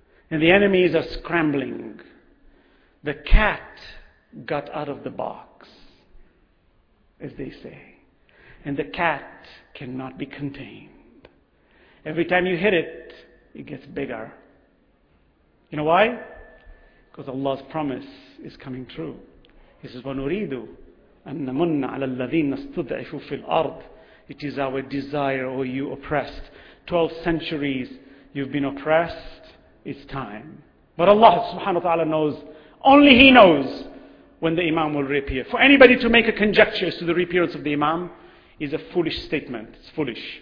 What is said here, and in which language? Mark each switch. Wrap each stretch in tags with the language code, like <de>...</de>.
<en>And the enemies are scrambling. The cat got out of the box, as they say. And the cat cannot be contained. Every time you hit it, it gets bigger. You know why? Because Allah's promise is coming true. He says,</en> <ar>وَنُرِيدُ أَنَّمُنَّ عَلَى الَّذِينَ اسْتُضْعِفُوا فِي الْأَرْضِ.</ar> <en>It is our desire, O you oppressed. 12 centuries you've been oppressed, it's time. But Allah subhanahu wa ta'ala knows, only He knows, when the Imam will reappear. For anybody to make a conjecture as to the reappearance of the Imam is a foolish statement. It's foolish.</en>